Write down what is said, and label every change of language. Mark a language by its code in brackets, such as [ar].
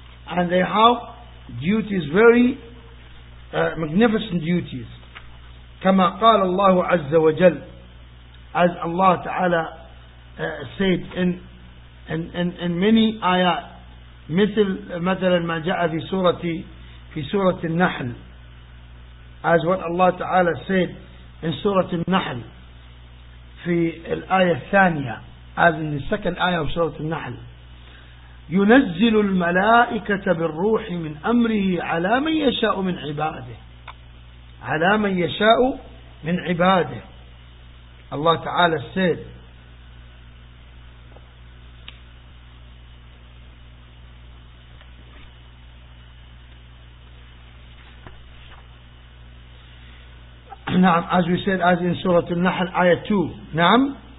[en] And they have duties, very magnificent duties. [ar] كما قال الله عز وجل, [en] as Allah Ta'ala said in many ayat, [ar] مثل ما جاء في سورة النحل, [en] as what Allah Ta'ala said in [ar] سورة النحل في الآية الثانية, [en] as in the second ayah of [ar] سورة النحل, ينزل الملائكة بالروح من أمره على من يشاء من عباده, على من يشاء من عباده. [en] Allah Ta'ala said, [ar] نعم, [en] as we said, as in Surah An-Nahl, Ayah 2, نعم,